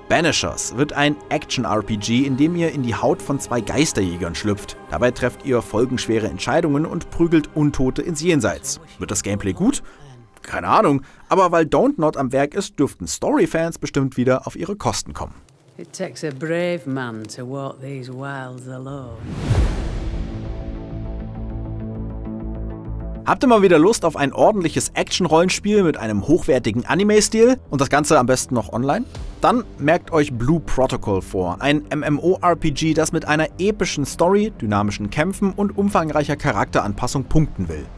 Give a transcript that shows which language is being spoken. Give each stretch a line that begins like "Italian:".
German: Banishers wird ein Action-RPG, in dem ihr in die Haut von 2 Geisterjägern schlüpft. Dabei trefft ihr folgenschwere Entscheidungen und prügelt Untote ins Jenseits. Wird das Gameplay gut? Keine Ahnung. Aber weil Dontnod am Werk ist, dürften Story-Fans bestimmt wieder auf ihre Kosten kommen.
English: It takes a brave man to walk these wilds alone.
German: Habt ihr mal wieder Lust auf ein ordentliches Action-Rollenspiel mit einem hochwertigen Anime-Stil? Und das Ganze am besten noch online? Dann merkt euch Blue Protocol vor, ein MMORPG, das mit einer epischen Story, dynamischen Kämpfen und umfangreicher Charakteranpassung punkten will.